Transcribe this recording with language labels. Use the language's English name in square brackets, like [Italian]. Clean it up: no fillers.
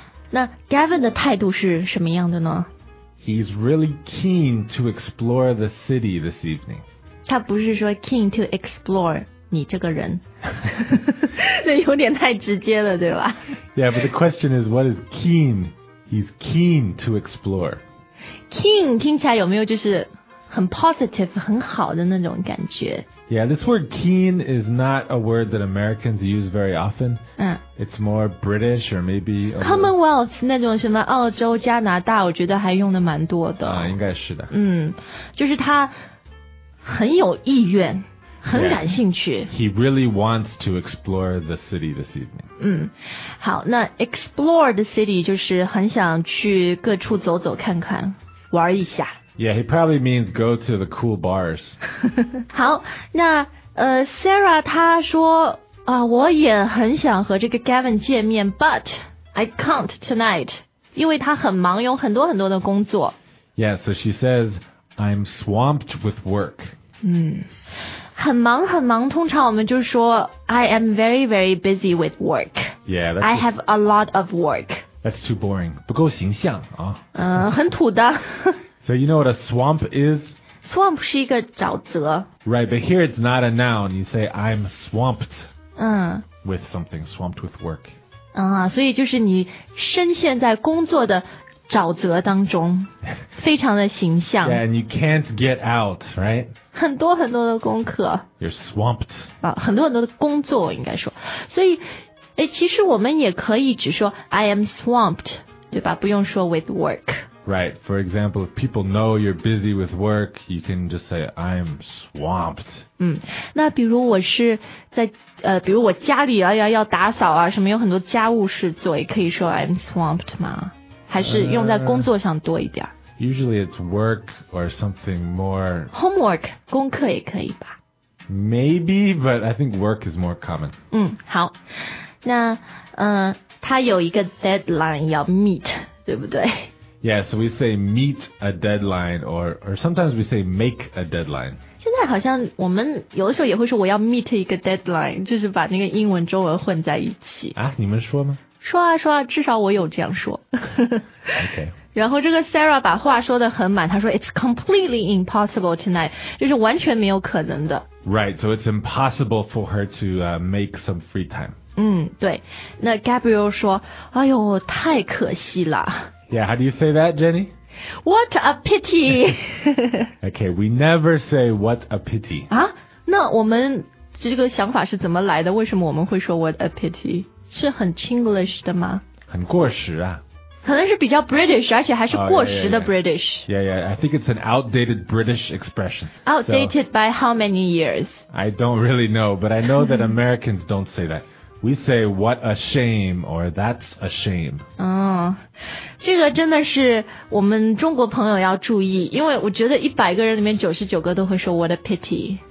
[Chinese] 那 Gavin 的态度是什么样的呢？ [English] He's really keen to explore the city this evening. [Chinese] 他不是说 [English] keen to explore [Chinese] 你这个人，那有点太直接了，对吧？ [English] Yeah, but the question is, what is keen? He's keen to explore. [Chinese] Keen 听起来有没有就是很 positive 很好的那种感觉， [English] Yeah, this word keen is not a word that Americans use very often. It's more British or maybe... [Chinese] Commonwealth, 那种什么澳洲、加拿大，我觉得还用的蛮多的。应该是的。就是他很有意愿。很感兴趣。 [English] Yeah. He really wants to explore the city this evening. [Chinese] 好，那 explore the city 就是很想去各处走走看看，玩一下。 [English] Yeah, he probably means go to the cool bars. [Chinese] 好，那Sarah 她说我也很想和这个 Gavin 见面 ， [English] but I can't tonight. [Chinese] 因为他很忙，有很多很多的工作。 [English] Yeah, so she says I'm swamped with work. [Chinese] 很忙很忙，通常我们就说 [English] I am very very busy with work. Yeah, I have a lot of work. That's too boring. [Chinese] 不够形象啊。很土的。 [English] So you know what a swamp is? [Chinese] Swamp 是一个沼泽。 [English] Right, but here it's not a noun. You say I'm swamped. With something, swamped with work. [Chinese] 所以就是你深陷在工作的沼泽当中，非常的形象。 [English] Yeah, and you can't get out, right? [Chinese] 很多很多的功课 [English] You're swamped. [Chinese] 很多很多的工作应该说。所以其实我们也可以只说 [English] I am swamped, [Chinese] 对吧不用说 with work. [English] Right, for example, if people know you're busy with work, you can just say I'm swamped. [Chinese] 那比如我是在比如我家里要打扫啊什么有很多家务事做也可以说 [English] I'm swamped [Chinese] 吗还是用在工作上多一点 [English] Usually it's work or something more... [Chinese] Homework, 功课也可以吧。 [English] Maybe, but I think work is more common. [Chinese] 好。那他有一个 deadline 要 meet, 对不对 [English] Yeah, so we say meet a deadline or sometimes we say make a deadline. [Chinese] 现在好像我们有的时候也会说我要 meet 一个 deadline, 就是把那个英文中文混在一起。你们说吗说啊说啊至少我有这样说。 [English] okay. [Chinese] 然后这个 Sarah 把话说得很满，她说 [English] "It's completely impossible tonight," [Chinese] 就是完全没有可能的。 [English] Right, so it's impossible for her to make some free time. [Chinese] 对。那 Gabriel 说，哎呦，太可惜了。 [English] Yeah, how do you say that, Jenny? What a pity. okay, we never say "What a pity." [Chinese] 那我们这个想法是怎么来的？为什么我们会说 [English] "What a pity"？ [Chinese] 是很 Chinglish 的吗？很过时啊。可能是比较 British, 而且还是过时的 British. [English] Yeah, I think it's an outdated British expression. Outdated by how many years? I don't really know, but I know that Americans don't say that. We say, what a shame, or that's a shame. [Chinese] 这个真的是我们中国朋友要注意，因为我觉得100个人里面99个都会说 [English] what a pity.